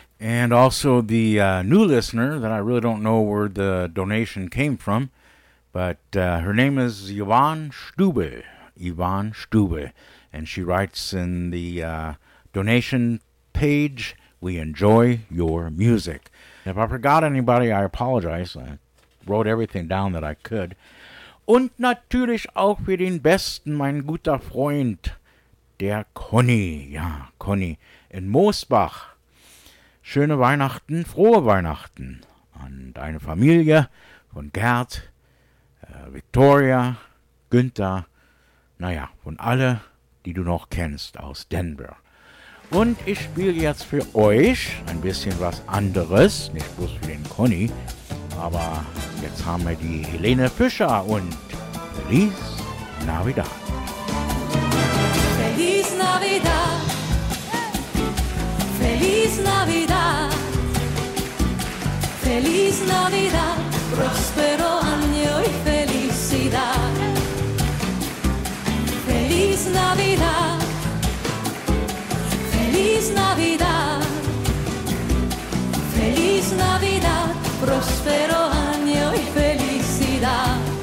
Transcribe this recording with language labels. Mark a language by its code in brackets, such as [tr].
[en] And also the new listener that I really don't know where the donation came from, but her name is Yvonne Stube, and she writes in the donation page, "We enjoy your music." If I forgot anybody, I apologize. I wrote everything down that I could. [de] Und natürlich auch für den besten, mein guter Freund, der Conny. Ja, Conny in Mosbach. Schöne Weihnachten, frohe Weihnachten an deine Familie von Gerd, Victoria, Günther, naja, von alle, die du noch kennst aus Denver. Und ich spiele jetzt für euch ein bisschen was anderes, nicht bloß für den Conny, aber jetzt haben wir die Helene Fischer und Feliz Navidad. [es] Feliz Navidad. Feliz Navidad, Feliz Navidad, Prospero Año y Felicidad. Feliz Navidad, Feliz Navidad, Feliz Navidad, Prospero Año y Felicidad.